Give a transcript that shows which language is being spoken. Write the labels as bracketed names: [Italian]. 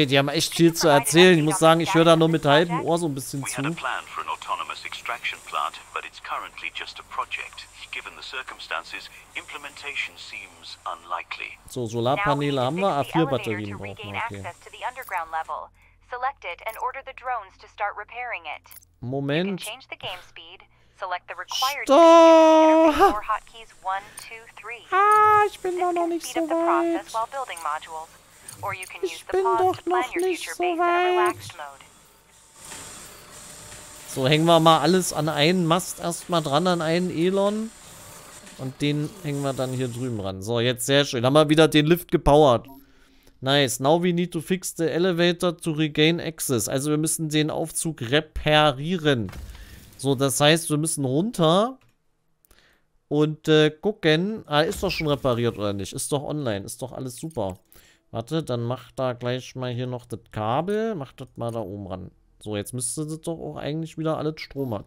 [German] Okay, die haben echt viel zu erzählen. Ich muss sagen, ich höre da nur mit halbem Ohr so ein bisschen zu. [English] We had a plan for an autonomous extraction plant, but it's currently just a project. Given the circumstances, implementation seems unlikely. [German] So, Solarpaneele haben wir, A4 Batterien brauchen wir. Okay. [English] To the underground level. Select it and order the drones to start repairing it. [German] Moment. [English] You can change the game speed. Select the required four hotkeys 1, 2, 3. [German] Ah, ich bin doch noch nicht so weit. [English] While building modules, or you can [German] ich bin doch noch nicht so weit. So, hängen wir mal alles an einen Mast erstmal dran, an einen Elon. Und den hängen wir dann hier drüben ran. So, jetzt sehr schön. Haben wir wieder den Lift gepowert. [English] Nice. Now we need to fix the elevator to regain access. [German] Also wir müssen den Aufzug reparieren. So, das heißt, wir müssen runter und gucken. Ah, ist doch schon repariert oder nicht? Ist doch online. Ist doch alles super. Warte, dann mach da gleich mal hier noch das Kabel. Mach das mal da oben ran. So, jetzt müsste das doch auch eigentlich wieder alles Strom haben.